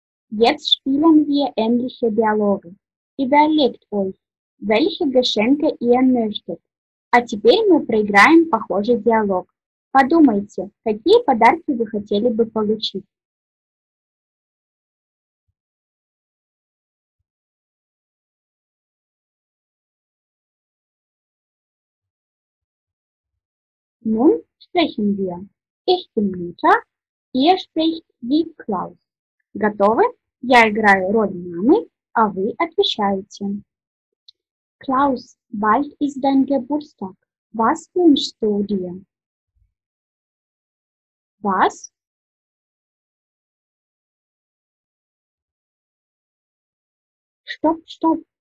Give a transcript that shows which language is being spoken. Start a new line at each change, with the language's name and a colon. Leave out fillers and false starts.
German: Jetzt spielen wir ähnliche Dialoge. Überlegt euch, welche Geschenke ihr möchtet.
Russian: А теперь мы проиграем похожий диалог. Подумайте, какие подарки вы хотели бы получить.
German: Nun sprechen wir. Ich bin Mutter, ihr spricht wie Klaus.
Russian: Готовы? Я играю роль мамы, а вы отвечаете.
German: Klaus, bald ist dein Geburtstag. Was wünschst du dir? Was? Stopp, stopp.